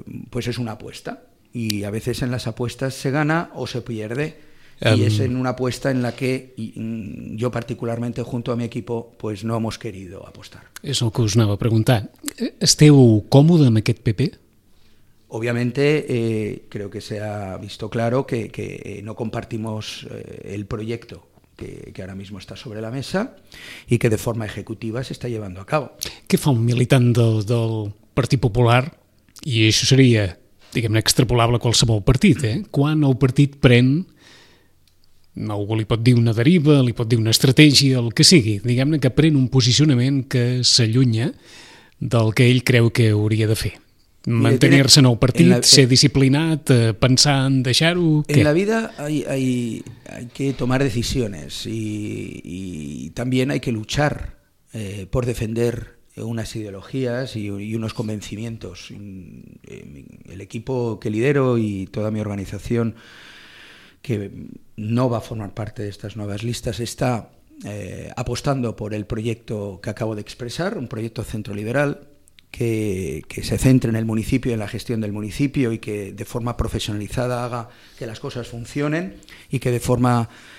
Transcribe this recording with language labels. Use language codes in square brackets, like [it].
[es] pues es una apuesta, y a veces en las apuestas se gana o se pierde, y es en una apuesta en la que yo particularmente, junto a mi equipo, pues no hemos querido apostar. [ca] És el que us anava a preguntar. Esteu còmode amb aquest PP? [es] Obviamente, creo que se ha visto claro que no compartimos el proyecto que ahora mismo está sobre la mesa y que de forma ejecutiva se está llevando a cabo. [ca] Què fa un militant del Partit Popular, i això seria, diguem-ne, extrapolable a qualsevol partit, quan el partit pren, no ho li pot dir una deriva, li pot dir una estratègia, el que sigui, diguem-ne que pren un posicionament que s'allunya del que ell creu que hauria de fer. Mantenir-se en el partit, ser disciplinat, pensar en deixar-ho... [es] En la vida hay que tomar decisiones y también hay que luchar por defender unas ideologías y unos convencimientos. El equipo que lidero y toda mi organización, que no va a formar parte de estas nuevas listas, está apostando por el proyecto que acabo de expresar, un proyecto centroliberal, que se centre en el municipio y en la gestión del municipio y que de forma profesionalizada haga que las cosas funcionen y que de forma